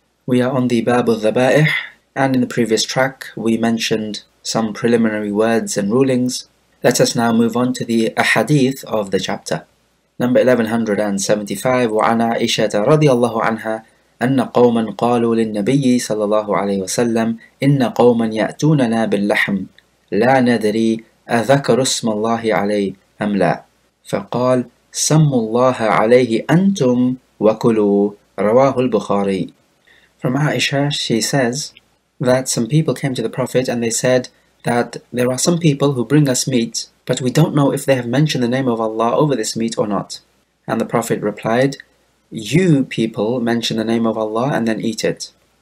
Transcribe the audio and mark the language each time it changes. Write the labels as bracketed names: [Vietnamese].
[English] We are on the Bab al-Dhabaih, and in the previous track we mentioned some preliminary words and rulings. Let us now move on to the ahadith of the chapter. Number 1175. [Arabic] وعن عائشة رضي الله عنها أن قوما قالوا للنبي صلى الله عليه وسلم إن قوما يأتوننا باللحم لا ندري أذكر اسم الله عليه أم لا فقال سموا الله عليه أنتم وَكُلُوا رواه البخاري. [English] From Aisha, she says that some people came to the Prophet and they said that there are some people who bring us meat, but we don't know if they have mentioned the name of Allah over this meat or not. And the Prophet replied, you people mention the name of Allah and then eat it.